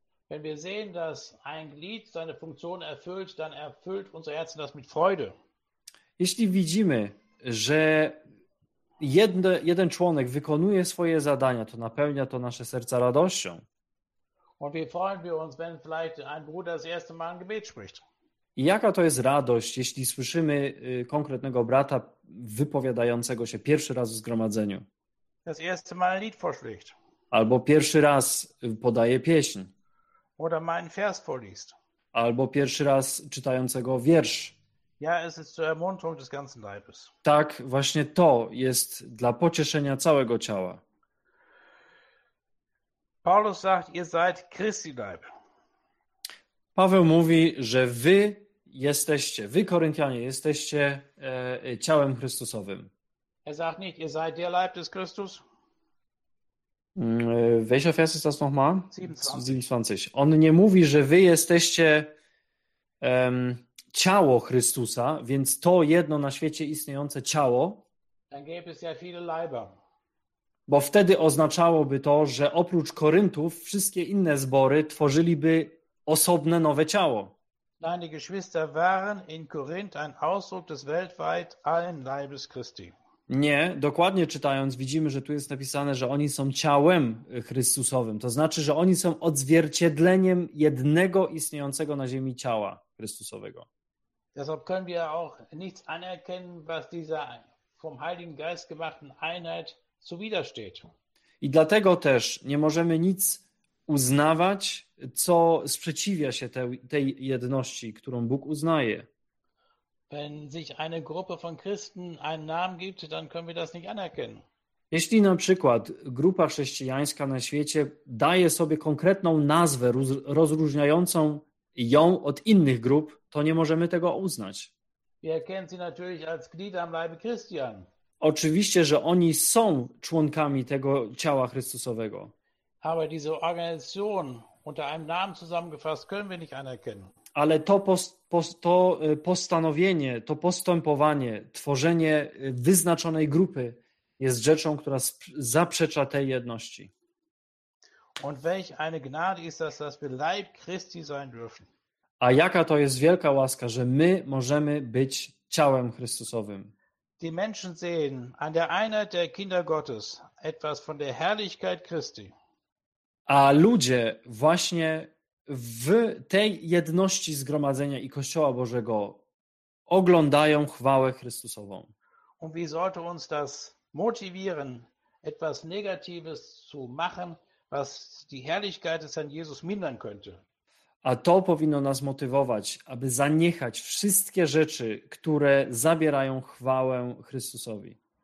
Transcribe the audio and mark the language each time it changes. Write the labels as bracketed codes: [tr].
[de] Wenn wir sehen, dass ein Glied seine Funktion erfüllt, dann erfüllt unser Herz das mit Freude. [pl] Jeśli widzimy, że jeden członek wykonuje swoje zadania, to napełnia to nasze serca radością. [de] Und wie freuen wir uns, wenn vielleicht ein Bruder das erste Mal ein Gebet spricht? [pl] I jaka to jest radość, jeśli słyszymy konkretnego brata wypowiadającego się pierwszy raz w zgromadzeniu. [de] Das erste Mal ein Lied vorspricht. [pl] Albo pierwszy raz podaje pieśń. [de] Oder mal einen Vers vorliest. [pl] Albo pierwszy raz czytającego wiersz. [de] Ja, es ist zur Ermunterung des ganzen Leibes. [pl] Tak, właśnie to jest dla pocieszenia całego ciała. [de] Paulus sagt, ihr seid Christi Leib. [pl] Paweł mówi, że wy jesteście, wy Koryntianie, jesteście ciałem Chrystusowym. [de] Er sagt nicht, ihr seid der Leib des Christus. Welcher Vers ist das nochmal? 27. [pl] On nie mówi, że wy jesteście ciało Chrystusa, więc to jedno na świecie istniejące ciało. [de] Dann gäbe es ja viele Leiber. [pl] Bo wtedy oznaczałoby to, że oprócz Koryntów wszystkie inne zbory tworzyliby osobne nowe ciało. [de] Nein, die Geschwister waren in Korinth ein Ausdruck des weltweit allen Leibes Christi. [pl] Nie, dokładnie czytając widzimy, że tu jest napisane, że oni są ciałem Chrystusowym. To znaczy, że oni są odzwierciedleniem jednego istniejącego na ziemi ciała Chrystusowego. [de] Deshalb können wir auch nichts anerkennen, was dieser vom Heiligen Geist gemachten Einheit zuwidersteht. [pl] I dlatego też nie możemy nic uznawać, co sprzeciwia się tej jedności, którą Bóg uznaje. [de] Wenn sich eine Gruppe von Christen einen Namen gibt, dann können wir das nicht anerkennen. [pl] Jeśli na przykład grupa chrześcijańska na świecie daje sobie konkretną nazwę rozróżniającą ją od innych grup, to nie możemy tego uznać. [de] Wir erkennen sie natürlich als Glied am Leibe Christi an. [pl] Oczywiście, że oni są członkami tego ciała Chrystusowego. [de] Aber diese Organisation unter einem Namen zusammengefasst können wir nicht anerkennen. [pl] Ale to postanowienie, to postępowanie, tworzenie wyznaczonej grupy jest rzeczą, która zaprzecza tej jedności. [de] Und welch eine Gnade ist das, dass wir Leib Christi sein dürfen. [pl] A jaka to jest wielka łaska, że my możemy być ciałem Chrystusowym. [de] Die Menschen sehen an der Einheit der Kinder Gottes etwas von der Herrlichkeit Christi. [pl] A ludzie właśnie w tej jedności zgromadzenia i Kościoła Bożego oglądają chwałę Chrystusową. [de] Und wie sollte uns das motivieren, etwas Negatives zu machen, was die Herrlichkeit des Herrn Jesus mindern könnte? [pl] A to powinno nas motywować, aby zaniechać wszystkie rzeczy, które zabierają chwałę Chrystusowi.